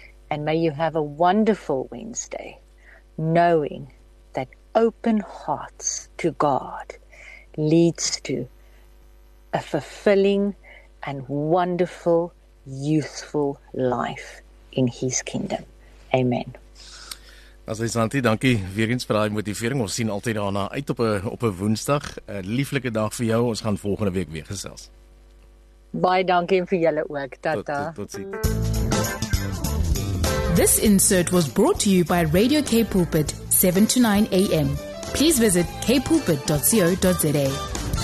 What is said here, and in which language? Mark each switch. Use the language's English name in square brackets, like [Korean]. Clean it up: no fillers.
[English] And may you have a wonderful Wednesday, knowing that open hearts to God leads to a fulfilling and wonderful, useful life in his kingdom. Amen. [Afrikaans] As jy Santi, dankie weer eens vir daai motivering. Ons sien altyd daarna uit op 'n Woensdag. 'n Lieflike dag vir jou. Ons gaan volgende week weer gesels. Baie dankie vir julle ook. Tata. Tot sien. [English] This insert was brought to you by Radio K Pulpit 7 to 9 AM. Please visit kpulpit.co.za.